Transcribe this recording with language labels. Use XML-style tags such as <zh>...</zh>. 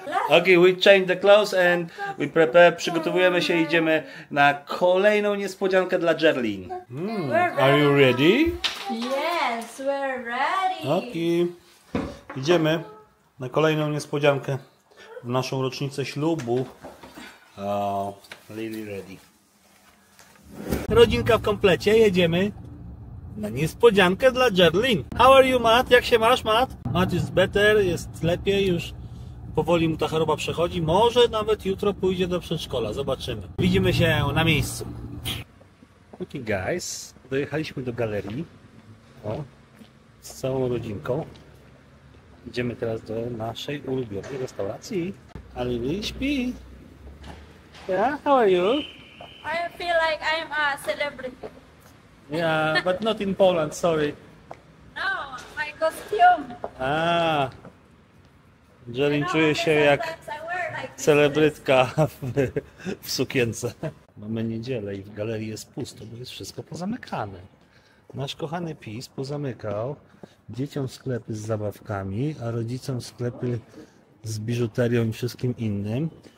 <en>Ok, we change the clothes and we prepare.</en> <pl>Przygotowujemy się i idziemy na kolejną niespodziankę dla Jerlin.</pl> <en>Are you ready? Yeah. Yes, we're ready. Ok.</en> <pl>Idziemy na kolejną niespodziankę w naszą rocznicę ślubu. Lily ready. Rodzinka w komplecie, jedziemy na niespodziankę dla Jerlyn.</pl> <en>How are you, Matt?</en> <pl>Jak się masz, Matt?</pl> <en>Matt is better,</en> <pl>jest lepiej już. Powoli mu ta choroba przechodzi. Może nawet jutro pójdzie do przedszkola. Zobaczymy. Widzimy się na miejscu.</pl> <en>Ok, guys.</en> <pl>Dojechaliśmy do galerii. O, z całą rodzinką. Idziemy teraz do naszej ulubionej restauracji. A Lily śpi.</pl> <en>Yeah, how are you? I feel like I'm a celebrity. Yeah, but not in Poland, sorry. No, my costume. Ah.</en> <pl>Jelin czuje się jak celebrytka w sukience. Mamy niedzielę i w galerii jest pusto, bo jest wszystko pozamykane. Nasz kochany PiS pozamykał dzieciom sklepy z zabawkami, a rodzicom sklepy z biżuterią i wszystkim innym.</pl>